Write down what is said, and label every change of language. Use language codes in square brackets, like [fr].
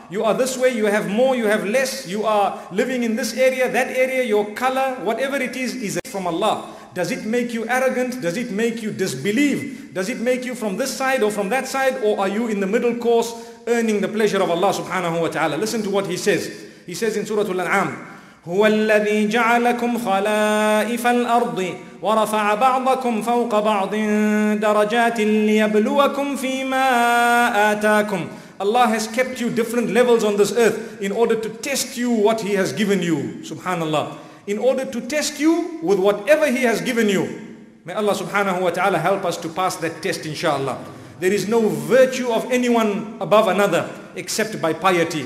[en] You are this way, you have more, you have less. You are living in this area, that area, your color, whatever it is from Allah. Does it make you arrogant? Does it make you disbelieve? Does it make you from this side or from that side? Or are you in the middle course earning the pleasure of Allah subhanahu wa ta'ala? Listen to what He says. He says in Surah Al-An'am, [ar] هو الذي جعلكم خلائف الأرض ورفع بعضكم فوق بعض درجات ليبلوكم فيما آتاكم. [en] Allah has kept you different levels on this earth in order to test you what He has given you. Subhanallah. In order to test you with whatever He has given you. May Allah subhanahu wa ta'ala help us to pass that test inshallah. There is no virtue of anyone above another except by piety.